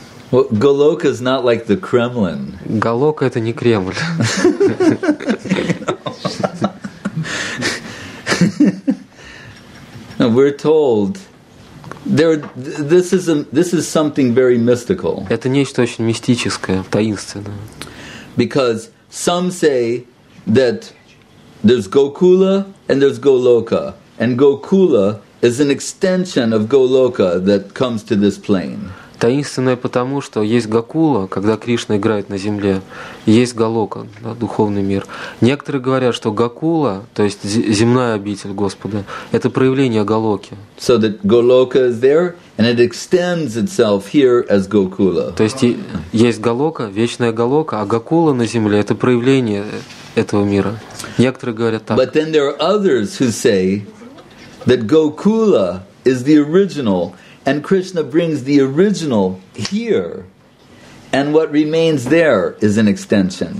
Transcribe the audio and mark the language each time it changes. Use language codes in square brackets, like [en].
[en] Well, Goloka is not like the Kremlin. [ru] Goloka — это не Кремль. [en] We're told there this is something very mystical. [ru] Это нечто очень мистическое, таинственное. [en] Because some say that there's Gokula and there's Goloka, and Gokula is an extension of Goloka that comes to this plane. [ru] Таинственное потому, что есть Гокула, когда Кришна играет на земле, и есть Голока, да, духовный мир. Некоторые говорят, что Гокула, то есть земная обитель Господа, это проявление Голоки. [en] So that Goloka is there, and it extends itself here as Gokula. [ru] То есть есть Голока, вечная Голока, а Гокула на земле – это проявление этого мира. Некоторые говорят так. [en] But then there are others who say that Gokula is the original. And Krishna brings the original here, and what remains there is an extension.